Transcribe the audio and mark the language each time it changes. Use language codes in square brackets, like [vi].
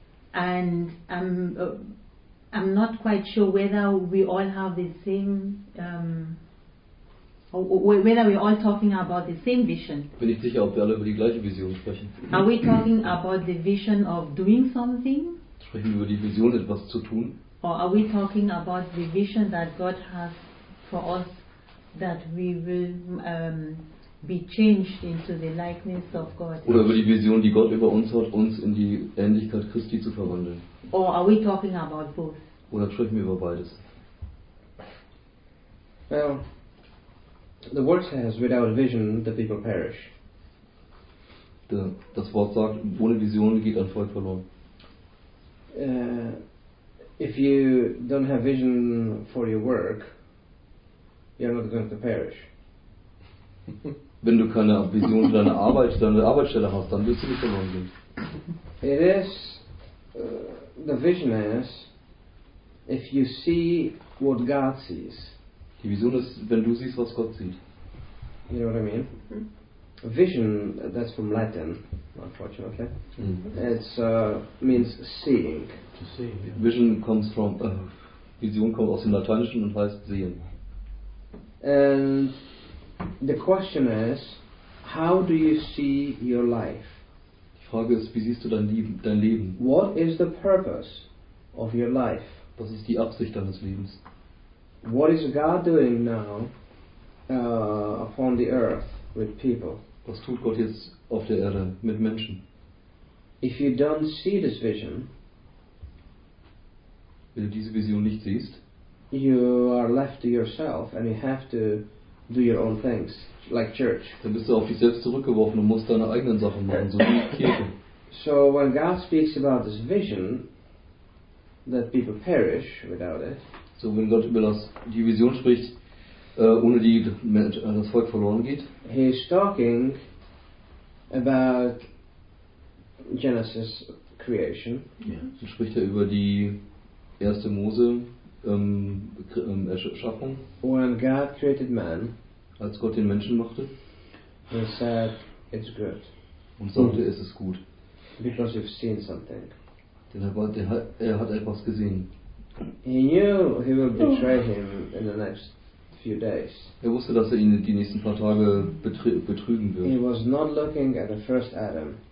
[en] I'm not quite sure whether we all have the same. Whether we're all talking about the same vision. [de] Bin ich sicher, ob wir alle über die gleiche Vision sprechen. [en] Are we talking about the vision of doing something? [de] Sprechen wir über die Vision, etwas zu tun? [en] Or are we talking about the vision that God has for us, that we will be changed into the likeness of God? [de] Oder über die Vision, die Gott über uns hat, uns in die Ähnlichkeit Christi zu verwandeln? [en] Or are we talking about both? [de] Oder sprechen wir über beides? [en] Well, the word says, without vision, the people perish. [de] Das Wort sagt, ohne Vision geht ein Volk verloren. [en] If you don't have vision for your work, you're not going to perish. [de] Wenn du keine Vision für deine Arbeit, deine Arbeitsstelle hast, dann wirst du nicht verloren gehen. [en] It is, the vision is, if you see what God sees. [de] Die Vision ist, wenn du siehst, was Gott sieht. [en] You know what I mean? Mm-hmm. Vision, that's from Latin, unfortunately. Mm-hmm. It's means seeing. To see. Yeah. Vision comes from [de] Vision kommt aus dem Lateinischen und heißt sehen. [en] And the question is, how do you see your life? [de] Die Frage ist, wie siehst du dein Leben? [en] What is the purpose of your life? [de] Was ist die Absicht deines Lebens? [en] What is God doing now? Upon the earth with people. [de] Was tut Gott jetzt auf der Erde mit Menschen? [en] If you don't see this vision, [de] wenn du diese Vision nicht siehst, [en] you are left to yourself and you have to do your own things, like church. [de] Dann bist du auf dich selbst zurückgeworfen und musst deine eigenen Sachen machen, so wie Kirche. [en] So when God speaks about this vision, that people perish without it. [de] So wenn Gott über die Vision spricht, ohne die das Volk verloren geht. [en] He is talking about Genesis creation. [de] Ja, so spricht über die erste Mose, Erschaffung. [en] When God created man, [de] als Gott den Menschen machte, [en] he said, it's good. [de] Und sagte, es ist gut. [en] Because you've seen something. [de] Denn er hat etwas gesehen. [en] He knew he will betray him in the next few days. [de] Er wusste, dass er ihn die nächsten paar Tage betrügen wird. [en] He was not looking at the first Adam.